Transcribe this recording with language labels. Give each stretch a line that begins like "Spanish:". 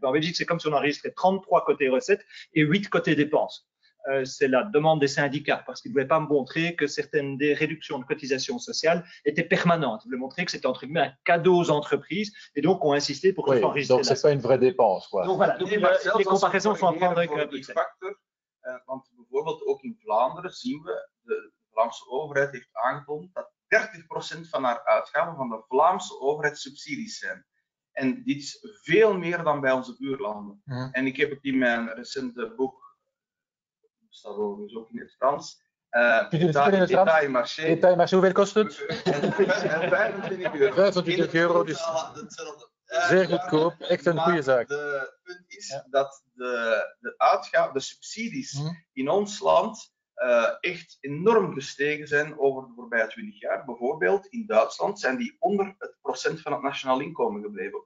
French: Ben, en Belgique, c'est comme si on enregistrait 33 côté recettes et 8 côté dépenses. C'est la demande des syndicats, parce qu'ils ne voulaient pas me montrer que certaines des réductions de cotisations sociales étaient permanentes. Ils voulaient montrer que c'était entre guillemets un cadeau aux entreprises, et donc ont insisté pour que ce soit enregistré. Donc, ce n'est pas une vraie dépense. Quoi. Donc, voilà. Les comparaisons sont à prendre avec un petit facteur.
Dutch: Want bijvoorbeeld, ook in Vlaanderen zien we, de Vlaamse overheid heeft aangetoond dat 30% van haar uitgaven van de Vlaamse overheid subsidies zijn. En dit is veel meer dan bij onze buurlanden. Mm. En ik heb het in mijn recente boek, staat overigens ook in het Frans.
French: Détail marché,
Dutch: hoeveel kost het? 25 euro. 25 euro, dus zeer goedkoop, echt een goede zaak. De punt is dat de uitgaven, de subsidies in ons land echt enorm gestegen zijn over de voorbije 20 jaar. Bijvoorbeeld in Duitsland zijn die onder het procent van het nationaal inkomen gebleven.